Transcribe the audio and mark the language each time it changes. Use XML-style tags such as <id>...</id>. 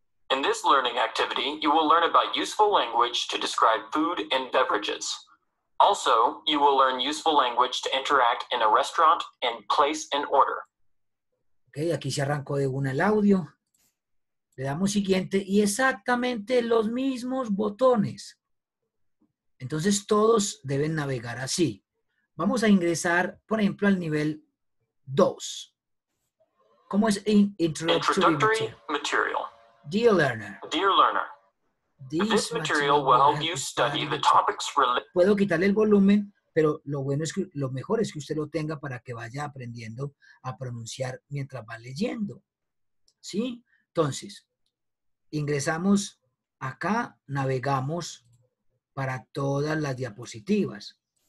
<en>In this learning activity, you will learn about useful language to describe food and beverages. Also, you will learn useful language to interact in a restaurant and place an order.</en> <es>Okay, aquí se arrancó de una el audio. Le damos siguiente y exactamente los mismos botones. Entonces, todos deben navegar así. Vamos a ingresar, por ejemplo, al nivel 2. ¿Cómo es</es> <en>introductory material? Dear learner, this material will help you study the topics related.</en> <es>Puedo quitarle el volumen, pero lo bueno es que lo mejor es que usted lo tenga para que vaya aprendiendo a pronunciar mientras va leyendo. ¿Sí? Entonces, ingresamos acá, navegamos para todas las diapositivas.</es>